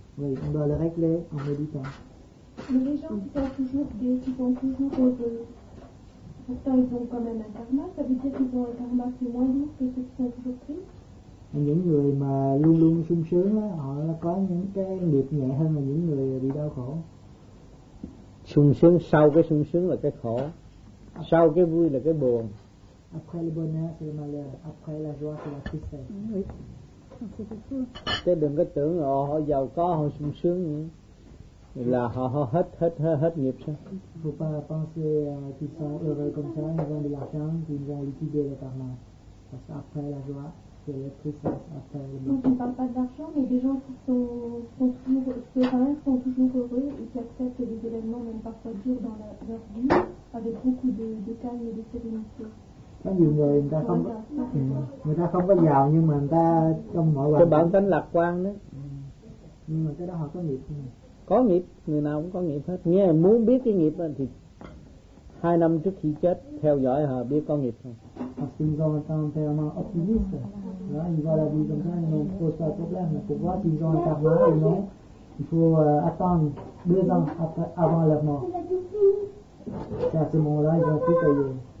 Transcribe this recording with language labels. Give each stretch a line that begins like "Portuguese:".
French: Oui, on doit le régler en méditant. Mais les gens qui sont toujours gays, qui sont toujours heureux, pourtant ils ont quand même un karma, ça veut dire qu'ils ont un karma qui est moins lourd que ceux qui sont toujours tristes.
Vietnamese: Những người mà luôn luôn sung sướng á, họ có những cái nghiệp nhẹ hơn là những người bị đau khổ. Sung sướng sau cái sung sướng là cái khổ, sau cái vui là cái buồn.
French: Après le bonheur c'est le malheur, après la joie c'est la tristesse.
Vietnamese: Thế đừng có tưởng là họ giàu có họ sung sướng nữa. Là họ hết nghiệp sao?
French: Faut pas penser qu'ils sont heureux comme ça, ils ont de l'argent, qu'ils vont liquider le karma. Parce qu'après la joie. Donc on ne parle pas d'argent, mais des gens qui sont toujours sereins, sont toujours heureux et qui acceptent des événements même parfois durs dans leur vie avec beaucoup de calme et de sérénité.
Vietnamese: Có nhiều người ta không có giàu nhưng mà người ta trong mọi hoàn cảnh. Bản tính lạc quan đó. Nhưng mà cái đó họ có nghiệp. Có nghiệp, người nào cũng có nghiệp hết. Nghe muốn biết cái nghiệp thì hai năm trước khi chết theo dõi họ biết có nghiệp không.
French: Ils ont un karma optimiste. Là, ils voient la vie comme ça, ils ne posent pas de problème. Mais pourquoi ils ont un karma ou non? Il faut attendre 2 ans avant leur mort. Et à ce moment-là, ils ont tout payé.